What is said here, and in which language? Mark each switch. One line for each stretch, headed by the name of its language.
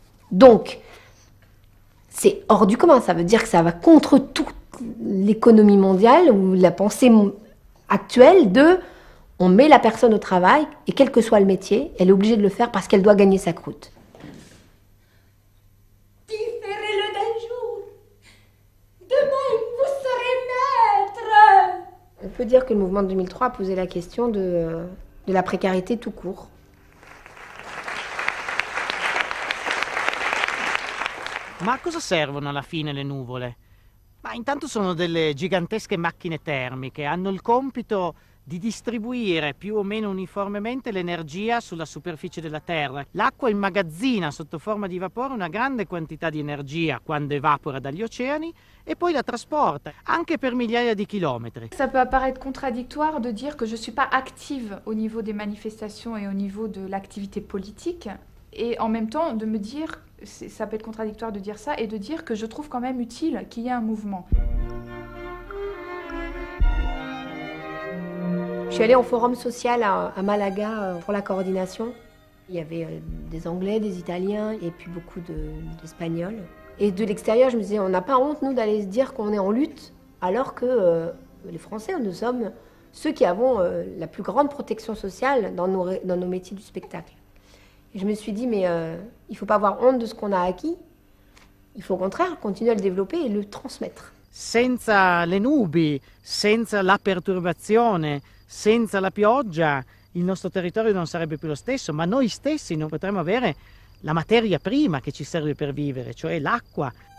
French: Donc, c'est hors du commun, ça veut dire que ça va contre toute l'économie mondiale ou la pensée actuelle de on met la personne au travail et quel que soit le métier, elle est obligée de le faire parce qu'elle doit gagner sa croûte. Différez-le d'un jour, demain vous serez maître. On peut dire que le mouvement de 2003 a posé la question de la précarité tout court.
Italian: Ma a cosa servono alla fine le nuvole? Ma intanto sono delle gigantesche macchine termiche, hanno il compito di distribuire più o meno uniformemente l'energia sulla superficie della Terra. L'acqua immagazzina sotto forma di vapore una grande quantità di energia quando evapora dagli oceani e poi la trasporta anche per migliaia di chilometri.
French: Ça peut apparaître contradictoire de dire que je suis pas active au niveau des manifestations et au niveau de l'activité politique et en même temps de me dire ça peut être contradictoire de dire ça et de dire que je trouve quand même utile qu'il y ait un mouvement. Je suis allée en forum social à Malaga pour la coordination. Il y avait des Anglais, des Italiens et puis beaucoup d'Espagnols. Et de l'extérieur, je me disais, on n'a pas honte, nous, d'aller se dire qu'on est en lutte, alors que les Français, nous sommes ceux qui avons la plus grande protection sociale dans nos métiers du spectacle. Je me suis dit, mais il ne faut pas avoir honte de ce qu'on a acquis. Il faut au contraire continuer à le développer et le transmettre.
Italian: Senza le nubi, senza la perturbazione, senza la pioggia, il nostro territorio non sarebbe più lo stesso, ma noi stessi non potremmo avere la materia prima che ci serve per vivere, cioè l'acqua.